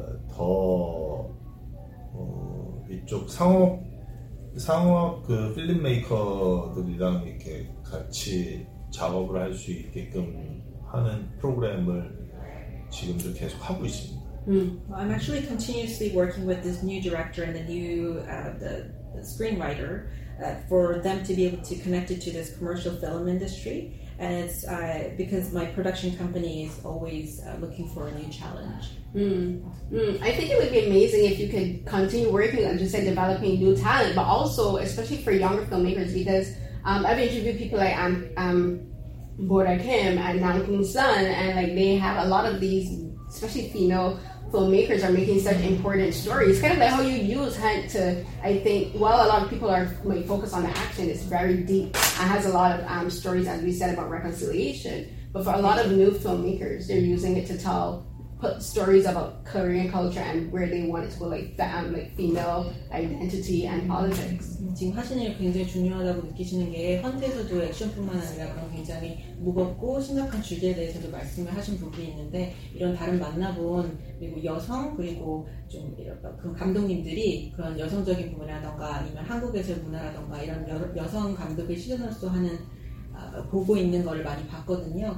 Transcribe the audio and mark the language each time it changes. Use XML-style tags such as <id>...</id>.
<ko>더 이쪽 상업 그 필름 메이커들이랑 이렇게 같이 작업을 할 수 있게끔 하는 프로그램을 지금도 계속 하고 있습니다.</ko> <en>Well, I'm actually continuously working with this new director and the new the screenwriter for them to be able to connect it to this commercial film industry. And it's because my production company is always looking for a new challenge. I think it would be amazing if you could continue working on just developing new talent, but also especially for younger filmmakers, because I've interviewed people like Bora Kim and Nam Kung Sun, and like they have a lot of these, especially female filmmakers are making such important stories. Kind of like how you use Hunt to, I think, while a lot of people are like, focused on the action, it's very deep and has a lot of stories, as we said, about reconciliation. But for a lot of new filmmakers, they're using it to tell stories about Korean culture and where they want it to go, like female identity and politics.</en> <ko>지금 하시는 일 굉장히 중요하다고 느끼시는 게 헌트에서도 액션뿐만 아니라 그런 굉장히 무겁고 심각한 주제에 대해서도 말씀을 하신 부분이 있는데 이런 다른 만나본 그리고 여성 그리고 좀 이런 그 감독님들이 그런 여성적인 부분이라던가 아니면 한국에서의 문화라던가 이런 여성 감독의 시선으로서 하는 보고 있는 걸 많이 봤거든요.</ko>